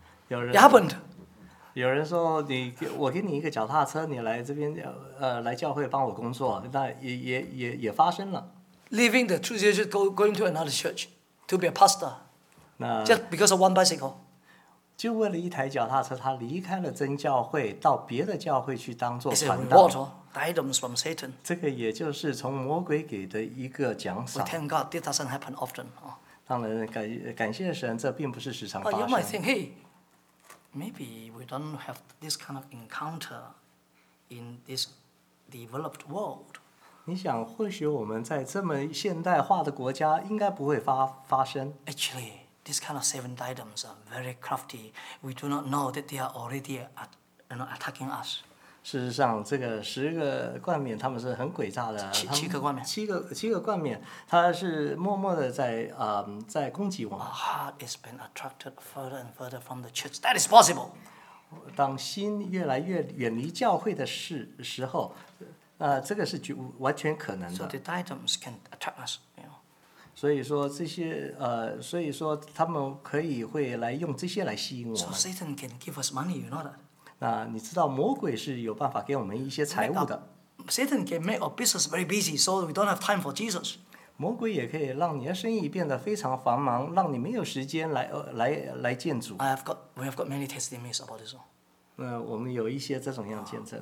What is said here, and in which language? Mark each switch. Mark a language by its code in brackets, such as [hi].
[en] It happened. [zh] 有人说我给你一个脚踏车，你来这边来教会帮我工作，那也发生了。 [en] Leaving the true church, going to another church to be a pastor. [zh] 那 [en] just because of one bicycle. [zh] 就为了一台脚踏车，他离开了真教会，到别的教会去当做传道。 [en] It's a reward, items from Satan. [zh] 这个也就是从魔鬼给的一个奖赏。 [en] Thank God, this doesn't happen often. [zh] 当然感谢神，这并不是时常发生。 [en] You might think, hey. Maybe we don't have this kind of encounter in this developed world. [zh] 你想，或许我们在这么现代化的国家，应该不会发生。 [en] Actually, this kind of seven diadems are very crafty. We do not know that they are already attacking us. [zh] 事实上，这个十个冠冕他们是很诡诈的。七个冠冕。七个冠冕，他是默默的在攻击我们。 [en] Our heart has been attracted further and further from the church. That is possible. [zh] 当心越来越远离教会的时候，这个是完全可能的。 [en] So the diadems can attract us. You know. [zh] 所以说这些所以说他们可以会来用这些来吸引我们。 [en] So Satan can give us money, you know that. [zh] 那你知道魔鬼是有办法给我们一些财物的。 [en] Satan can make our business very busy, so we don't have time for Jesus. [zh] 魔鬼也可以让你的生意变得非常繁忙，让你没有时间来见主。 [en] We have got many testimonies about this. [zh] 我们有一些这种样见证。